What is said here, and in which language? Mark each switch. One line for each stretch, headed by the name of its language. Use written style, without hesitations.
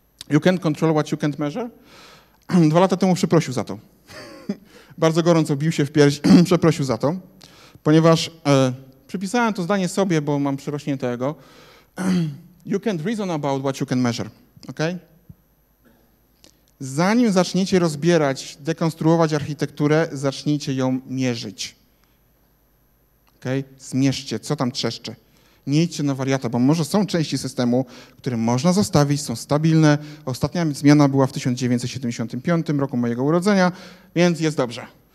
English: You can't control what you can't measure?
Polish: 2 lata temu przeprosił za to. Bardzo gorąco bił się w pierś, przeprosił za to, ponieważ przypisałem to zdanie sobie, bo mam przerośnięte ego.
English: You can't reason about what you can measure, okej? Okay?
Polish: Zanim zaczniecie rozbierać, dekonstruować architekturę, zacznijcie ją mierzyć. Okej? Okay? Zmierzcie, co tam trzeszczy. Nie idźcie na wariata, bo może są części systemu, które można zostawić, są stabilne. Ostatnia zmiana była w 1975 roku mojego urodzenia, więc jest dobrze.